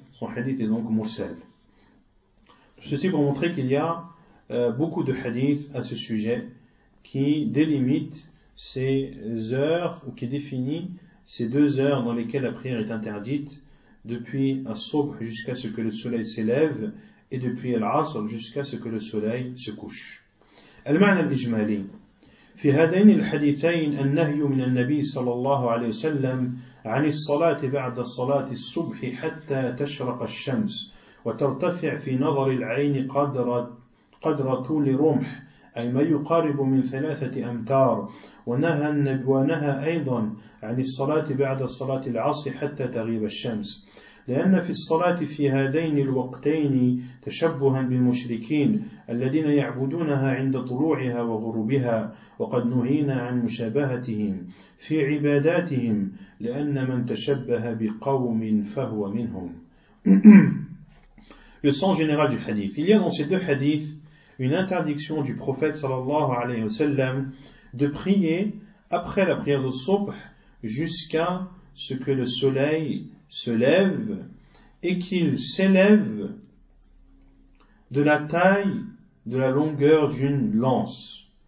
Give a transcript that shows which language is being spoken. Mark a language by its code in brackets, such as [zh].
[fr] Son hadith est donc mursal. Ceci pour montrer qu'il y a beaucoup de hadiths à ce sujet qui délimitent ces heures ou qui définit ces deux heures dans lesquelles la prière est interdite depuis As-Subh jusqu'à ce que le soleil s'élève et depuis Al-Asr jusqu'à ce que le soleil se couche. [ar] Al-Ma'na al-Ijmali في هذين الحديثين النهي من النبي صلى الله عليه وسلم عن الصلاة بعد صلاة الصبح حتى تشرق الشمس وترتفع في نظر العين قدر طول رمح أي ما يقارب من 3 أمتار ونهى أيضا عن الصلاة بعد صلاة العصر حتى تغيب الشمس لأن في الصلاة في هذين الوقتين تشبها بالمشركين الذين يعبدونها عند طلوعها وغروبها وقد نهينا عن مشابهتهم في عباداتهم لأن من تشبه بقوم فهو منهم. [fr] Le sens général du hadith. Il y a dans ces deux hadiths une interdiction du prophète sallallahu alayhi wa sallam de prier après la prière de Subh jusqu'à ce que le soleil se lève et qu'il s'élève de la taille de la longueur d'une lance.